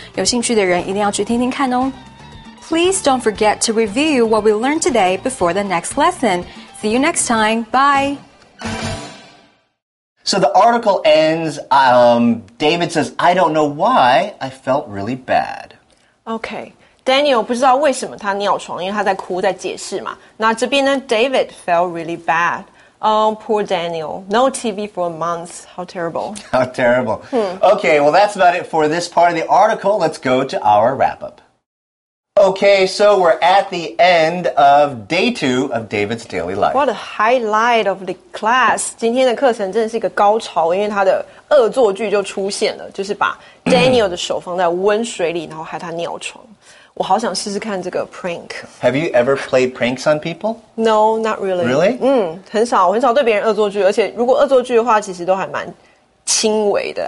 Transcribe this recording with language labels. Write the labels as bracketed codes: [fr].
[zh] 有兴趣的人一定要去听听看哦。 [en] Please don't forget to review what we learned today before the next lesson. See you next time. Bye. So the article ends, David says, I don't know why I felt really bad. [zh] Okay. Daniel 不知道为什么他尿床，因为他在哭，在解释嘛。那这边呢 [en] ,David felt really bad. Oh, poor Daniel. No TV for a month. How terrible. How terrible. Okay, well, that's about it for this part of the article. Let's go to our wrap-up. Okay, so we're at the end of day two of David's daily life. What a highlight of the class. [zh] 今天的课程真的是一个高潮，因为他的恶作剧就出现了，就是把 Daniel 的手放在温水里，然后害他尿床。我好想试试看这个 prank. [en] Have you ever played pranks on people? No, not really. Really? [zh] 很少，我很少对别人恶作剧，而且如果恶作剧的话，其实都还蛮轻微的。